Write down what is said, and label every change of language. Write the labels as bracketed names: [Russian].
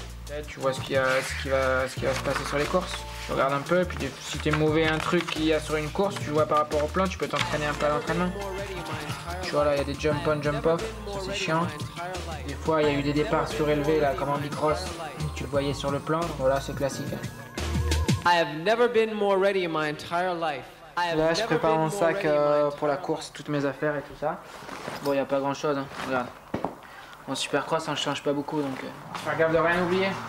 [French] Là, tu vois ce qui va se passer sur les courses. Tu regardes un peu, puis si t'es mauvais un truc qu'il y a sur une course, tu vois par rapport au plan, tu peux t'entraîner un peu à l'entraînement. Tu vois là, il y a des jump on, jump off, ça c'est chiant. Des fois il y a eu des départs surélevés là, comme en bicross. Tu le voyais sur le plan, voilà, c'est classique. [English] I have never been more ready in my entire life. [French] Là, je prépare mon sac pour la course, toutes mes affaires et tout ça. Bon, il n'y a pas grand-chose, hein. Regarde. En supercross, ça ne change pas beaucoup, donc... Fais gaffe de rien oublier.